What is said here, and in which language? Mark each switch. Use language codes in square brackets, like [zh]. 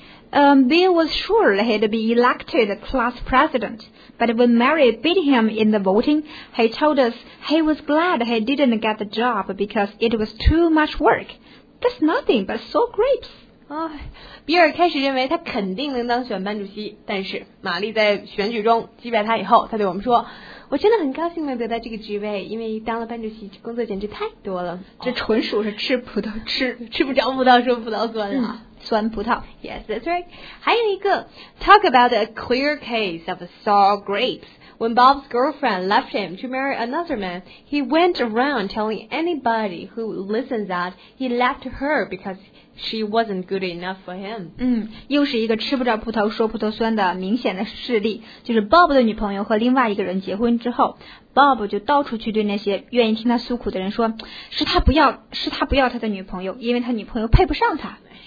[en] Bill was sure he'd be elected class president, but when Mary beat him in the voting, he told us he was glad he didn't get the job because it was too much work. That's nothing but sour grapes. [zh] 比尔开始认为他肯定能当选班主席，但是玛丽在选举中击败他以后，他对我们说，我真的很高兴能得到这个职位，因为当了班主席工作简直太多了。这纯属是吃葡萄吃不着葡萄说葡萄酸了。酸葡萄。 [en] Yes, that's right. [zh] 还有一个 [en] Talk about a clear case of sour grapes. When Bob's girlfriend left him to marry another man, he went around telling anybody who listened that he left her because she wasn't good enough for him. [zh] 又是一个吃不着葡萄说葡萄酸的明显的事例，就是 Bob 的女朋友和另外一个人结婚之后， Bob 就到处去对那些愿意听他诉苦的人说，是他不要他的女朋友，因为他女朋友配不上他。